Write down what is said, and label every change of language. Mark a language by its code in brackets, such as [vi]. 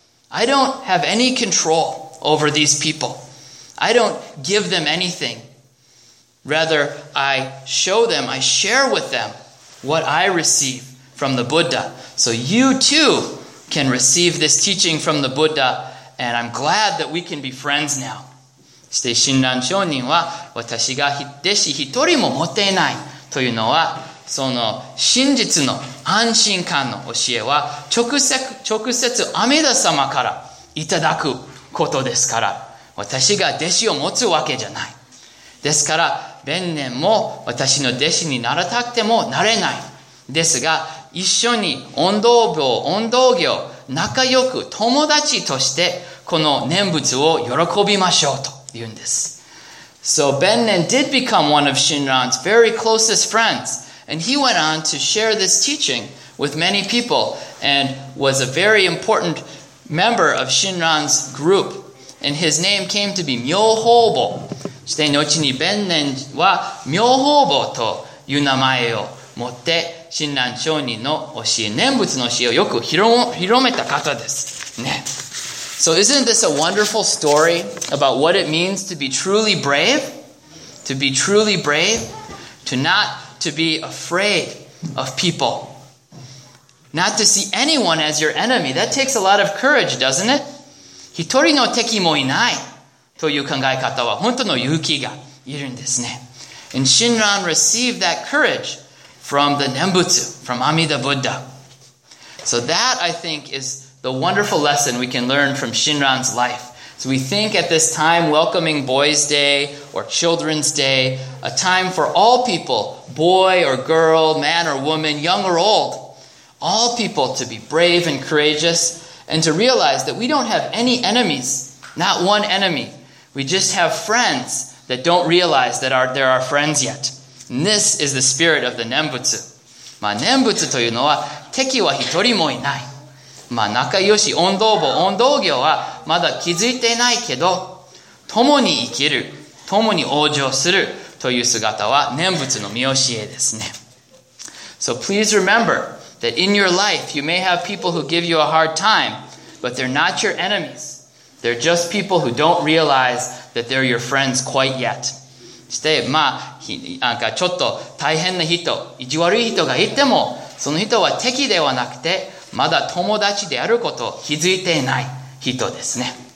[en] I don't have any control over these people. I don't give them anything. Rather, I show them, I share with them what I receive from the Buddha. So you too can receive this teaching from the Buddha, and I'm glad that we can be friends now. [ja] して Shinran Shonin は私が弟子一人も持てないというのはその真実の安心感の教えは直接阿弥陀様からいただくことですから私が弟子を持つわけじゃないですから弁念も私の弟子にならたくてもなれないですが一緒に音道坊音道行仲良く友達としてこの念仏を喜びましょうと言うんです。 [en] So Benren did become one of Shinran's very closest friends, and he went on to share this teaching with many people and was a very important member of Shinran's group. And his name came to be Myōhōbo. [ja] して後に Benren は Myōhōbo という名前を持って Shinran Shōnin の教え、念仏の教えをよく広めた方です。ね。 [en] So isn't this a wonderful story about what it means to be truly brave? To be truly brave? To not to be afraid of people. Not to see anyone as your enemy. That takes a lot of courage, doesn't it? [ja] 一人の敵もいないという考え方は本当の勇気がいるんですね。 [en] And Shinran received that courage from the Nembutsu, from Amida Buddha. So that, I think, is the wonderful lesson we can learn from Shinran's life. So we think at this time, welcoming Boys' Day or Children's Day, a time for all people, boy or girl, man or woman, young or old, all people to be brave and courageous and to realize that we don't have any enemies, not one enemy. We just have friends that don't realize that they're our friends yet. And this is the spirit of the Nembutsu. [ja] まあ、Nembutsu というのは敵は一人もいない。まあ、仲良し、音道坊、音道行はまだ気づいてないけど、共に生きる、共に往生するという姿は念仏の見教えですね。 [en] So please remember that in your life you may have people who give you a hard time, but they're not your enemies. They're just people who don't realize that they're your friends quite yet. [ja] して、まあ、なんかちょっと大変な人、意地悪い人がいても、その人は敵ではなくて、まだ友達であることを気づいていない人ですね。